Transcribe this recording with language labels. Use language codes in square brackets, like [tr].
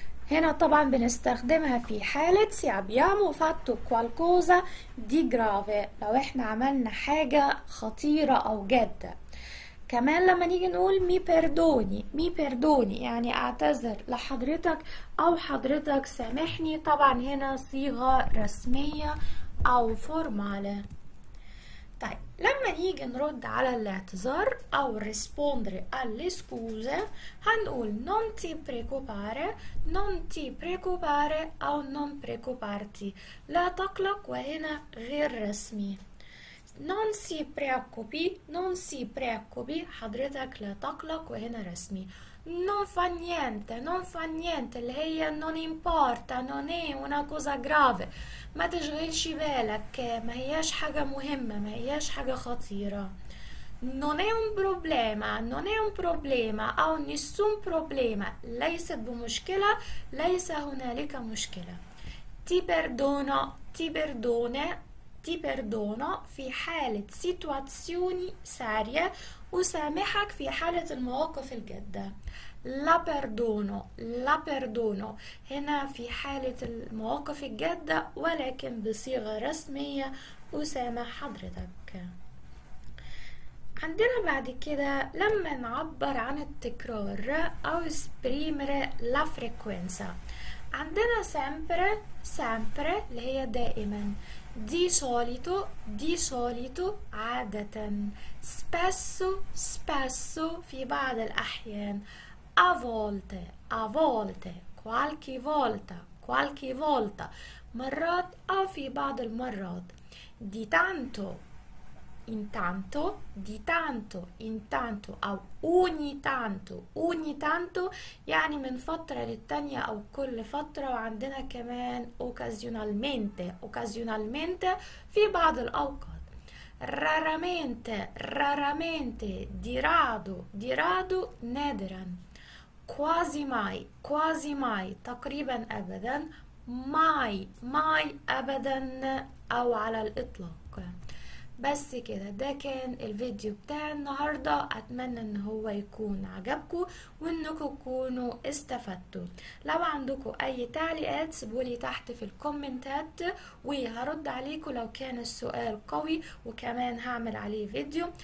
[ar] هنا طبعا بنستخدمها في حالة [it] si abbiamo fatto qualcosa di grave، [ar] لو احنا عملنا حاجة خطيرة او جادة. كمان لما نيجي نقول مي بيردوني مي بيردوني يعني اعتذر لحضرتك او حضرتك سامحني، طبعا هنا صيغة رسمية او فورمالة. لما نيجي نرد على الاعتذار او ريسبوندري [it] alle scuse هنقول non ti preoccupare, non ti preoccupare او non preoccuparti. [ar] لا تقلق وهنا غير رسمي. [it] non si preoccupi, non si preoccupi [ar] حضرتك لا تقلق وهنا رسمي. [it] non fa niente, non fa niente [ar] اللي هي [it] non importa, non è una cosa grave. [ar] ما تشغلش بالك، ما هياش حاجة مهمة، ما هياش حاجة خطيرة. [it] non è un problema, non è un problema او nessun problema. [ar] ليست بمشكلة، ليس هنالك مشكلة. [it] ti perdono, ti perdone ti perdono [ar] في حالة [it] situazioni serie، [ar] أسامحك في حالة المواقف الجادة. [it] la perdono, la perdono [ar] هنا في حالة المواقف الجادة ولكن بصيغة رسمية، أسامح حضرتك. عندنا بعد كده لما نعبر عن التكرار أو [it] esprimere la frequenza، [ar] عندنا [it] sempre, sempre [ar] اللي هي دائما، [it] di solito, di solito [ar] عادة، [it] spesso, spesso [ar] في بعض الأحيان، [it] a volte, a volte, qualche volta, qualche volta، [ar] مرات أو في بعض المرات، [it] di tanto, in tanto, di tanto, in tanto أو ogni tanto. ogni tanto [ar] يعني من فترة للتانية أو كل فترة، وعندنا كمان [it] occasionalmente، occasionalmente [ar] في بعض الأوقات. [it] raramente, raramente، di rado, di rado، [ar] نادرا. [it] quasi mai, quasi mai، [ar] تقريبا أبدا. [it] mai, mai [ar] أبدا أو على الإطلاق. بس كده، ده كان الفيديو بتاع النهاردة. أتمنى إن هو يكون عجبكو وإنكو تكونوا استفدتوا. لو عندكو أي تعليقات سيبولي تحت في الكومنتات وهرد عليكو لو كان السؤال قوي، وكمان هعمل عليه فيديو.